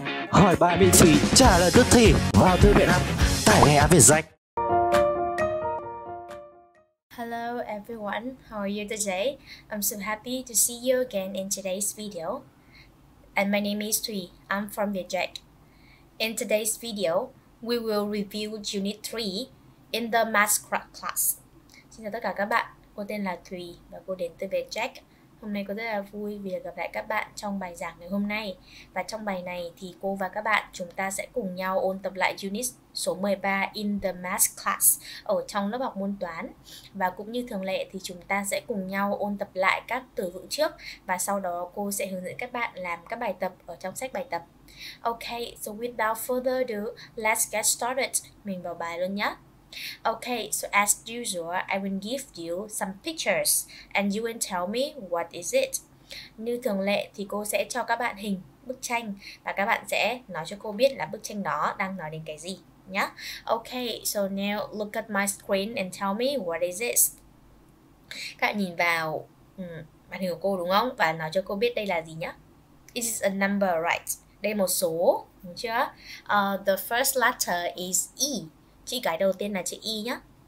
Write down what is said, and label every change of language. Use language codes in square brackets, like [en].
[vi] Hỏi bài miễn phí, trả lời tức thì vào thư viện app, tải ngay áp về danh. [en] Hello everyone, how are you today? I'm so happy to see you again in today's video. And my name is Thùy, I'm from VietJack. In today's video, we will review Unit 3 in the Math class. [vi] Xin chào tất cả các bạn, cô tên là Thùy và cô đến từ VietJack. Hôm nay cô rất là vui vì được gặp lại các bạn trong bài giảng ngày hôm nay. Và trong bài này thì cô và các bạn chúng ta sẽ cùng nhau ôn tập lại Unit số 13 [en] in the Math class [vi] ở trong lớp học môn toán. Và cũng như thường lệ thì chúng ta sẽ cùng nhau ôn tập lại các từ vựng trước và sau đó cô sẽ hướng dẫn các bạn làm các bài tập ở trong sách bài tập. [en] Okay, so without further ado, let's get started. [vi] Mình vào bài luôn nhé. [en] Okay, so as usual, I will give you some pictures and you will tell me what is it. [vi] Như thường lệ thì cô sẽ cho các bạn hình bức tranh và các bạn sẽ nói cho cô biết là bức tranh đó đang nói đến cái gì nhá. [en] Okay, so now look at my screen and tell me what is it. [vi] Các bạn nhìn vào màn hình của cô đúng không? Và nói cho cô biết đây là gì nhá. [en] It is a number, right? [vi] Đây một số, đúng chưa? [en] The first letter is E. [vi] Chữ cái đầu tiên là chữ E nhá.